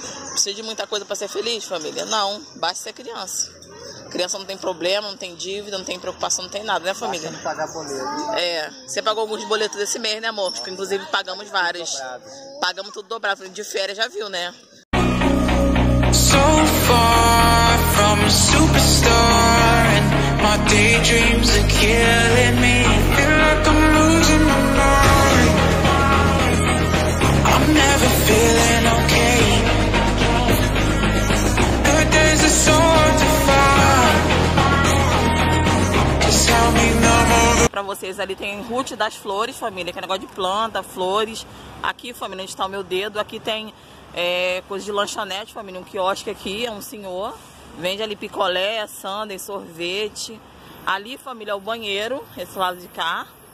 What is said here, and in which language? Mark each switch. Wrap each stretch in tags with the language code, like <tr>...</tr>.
<pt>Precisa de muita coisa pra ser feliz, família? Não, basta ser criança. Criança não tem problema, não tem dívida, não tem preocupação, não tem nada, né, família? Basta pagar boleto. É, você pagou alguns boletos desse mês, né, amor? Porque, inclusive, pagamos vários. Pagamos tudo dobrado, de férias já viu, né?</pt> <en>So far from a superstar and my daydreams are killing me. Feel like I'm losing my mind. I'm never feeling okay. Good days are so hard to find. Just tell me no more.</en> <pt>Pra vocês ali tem Ruth das Flores, família, que é negócio de planta, flores. Aqui, família, onde tá o meu dedo, aqui tem coisa de lanchonete, família, um quiosque aqui, é um senhor. Vende ali picolé, sandem, sorvete. Ali, família, é o banheiro, esse lado de cá.</pt>